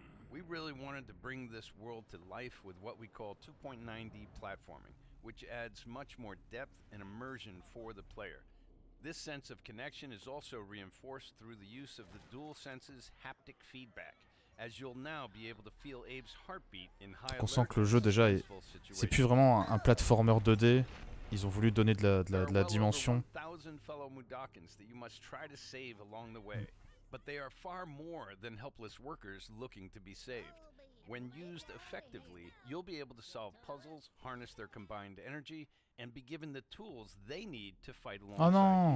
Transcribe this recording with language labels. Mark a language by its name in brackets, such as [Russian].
[English] We really wanted to bring this world to life with what we call 2.9D platforming, which adds much more depth and immersion for the player. This sense of connection is also reinforced through the use of the DualSense's haptic feedback, as you'll now be able to feel Abe's heartbeat in high alert. [French] On sent que le jeu déjà est, c'est plus vraiment un platformer 2D. Ils ont voulu donner de la dimension. [English] There are well over 1,000 fellow Mudokons that you must try to save along the way, but they are far more than helpless workers looking to be saved. When used effectively, you'll be able to solve puzzles, harness their combined energy, and be given the tools they need to fight alongside